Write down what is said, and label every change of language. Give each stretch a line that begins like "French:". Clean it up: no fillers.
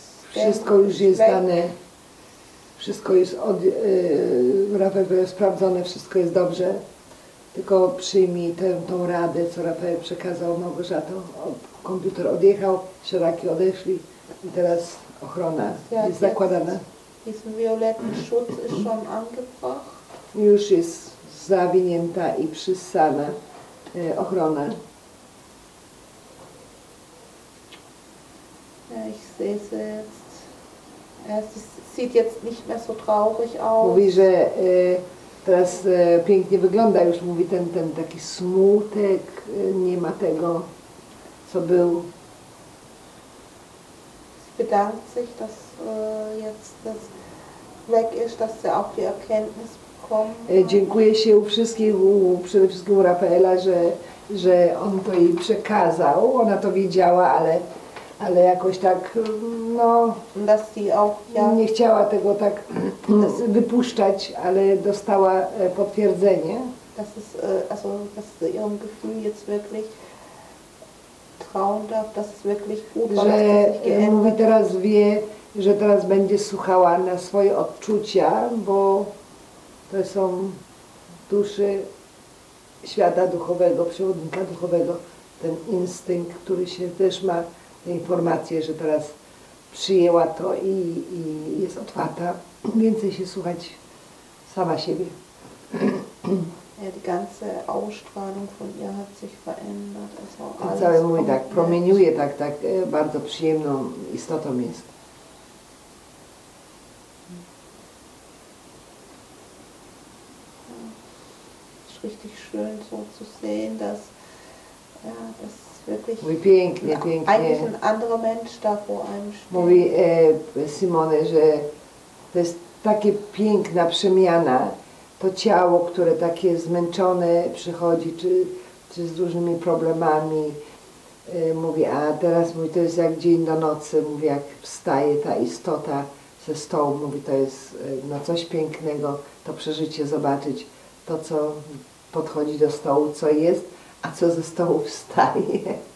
Polish: Wszystko już jest dane. Wszystko jest Rafał sprawdzone, wszystko jest dobrze. Tylko przyjmij tą radę, co Rafał przekazał Małgorzato. Komputer odjechał, szeraki odeszli. I teraz ochrona jest zakładana.
German: Diesen violetten Schutz ist schon angebracht.
Polish: Już jest zawinięta i przyssana ochrona.
German: Ich sehe es jetzt. Es sieht jetzt nicht mehr so traurig aus.
Polish: Mówi, że teraz pięknie wygląda już, mówi, ten taki smutek, nie ma tego, co był.
German: Bedankt sich, dass jetzt das weg ist, dass sie auch die Erkenntnis bekommen.
Polish: Dziękuję się u wszystkich, przede wszystkim u Rafaela, że on to jej przekazał. Ona to wiedziała, ale jakoś tak, no,
German: dass sie auch, ja,
Polish: nie chciała tego tak wypuszczać, ale dostała potwierdzenie.
German: Das ist, also, dass sie ihrem Gefühl jetzt wirklich trauen darf, dass es wirklich gut war, dass sie sich geändert.
Polish: Mówi, teraz wie, że teraz będzie słuchała na swoje odczucia, bo to są duszy świata duchowego, przewodnika duchowego, ten instynkt, który się też ma, te informacje, że teraz przyjęła to i jest otwarta, więcej się słuchać sama siebie.
German: Ja, die ganze Ausstrahlung von ihr hat sich verändert.
Polish: To całe, mówię, tak promieniuje, tak bardzo przyjemną istotą jest.
German: Es ist richtig schön so zu sehen, dass, ja, das wirklich,
Polish: mówi, pięknie.
German: Eigentlich ein anderer Mensch da vor einem steht.
Polish: Mówi Simone, że to jest takie piękna przemiana. To ciało, które takie zmęczone przychodzi, czy z dużymi problemami, mówi, a teraz, mówi, to jest jak dzień do nocy, mówi, jak wstaje ta istota ze stołu, mówi, to jest no coś pięknego, to przeżycie, zobaczyć to, co podchodzi do stołu, co jest, a co ze stołu wstaje.